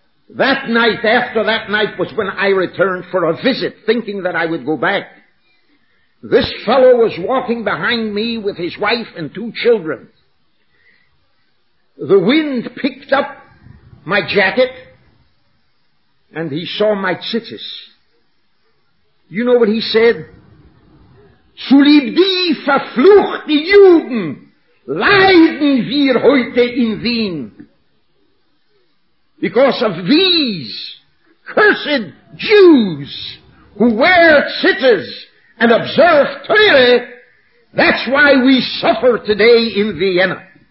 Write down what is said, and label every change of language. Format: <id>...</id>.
<en>That night, after that night, was when I returned for a visit, thinking that I would go back. This fellow was walking behind me with his wife and two children. The wind picked up my jacket, and he saw my tzitzis. You know what he said?</en> <de>Zulieb die verfluchte Juden leiden wir heute in Wien.</de> <en>Because of these cursed Jews who wear tzitzis and observe Torah, that's why we suffer today in Vienna.</en>